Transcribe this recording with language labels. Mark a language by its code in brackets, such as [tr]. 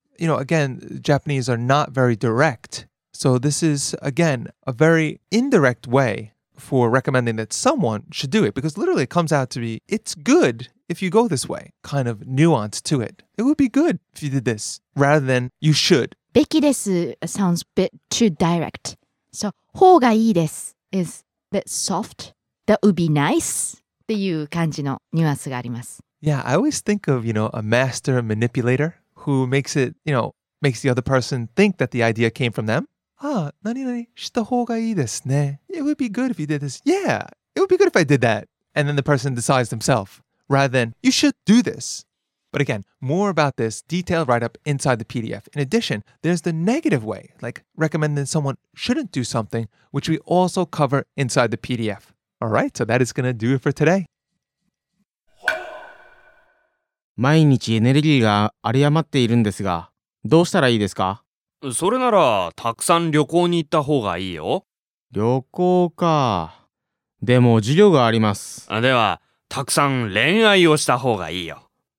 [en] You know, again, Japanese are not very direct. So this is, again, a very indirect way for recommending that someone should do it. Because literally it comes out to be, it's good if you go this way. Kind of nuance to it. It would be good if you did this rather than you should. [ja] Beki desu [en] sounds a bit too direct. So, [ja] hou ga ii desu [en] is a bit soft. That would be nice. [ja] っていう感じのニュアンスがあります。 [en] Yeah, I always think of, you know, a master manipulator who makes it, you know, makes the other person think that the idea came from them. [ja] Ah, 何々した方がいいですね。 [en] It would be good if you did this. Yeah, it would be good if I did that. And then the person decides themselves, rather than, you should do this. But again, more about this detailed write-up inside the PDF. In addition, there's the negative way, like recommending someone shouldn't do something, which we also cover inside the PDF. All right, so that is going to do it for today. [ja] 毎日エネルギーが有り余っているんですが、どうしたらいいですか？それなら、たくさん旅行に行った方がいいよ。旅行か。でも授業があります。では、たくさん恋愛をした方がいいよ。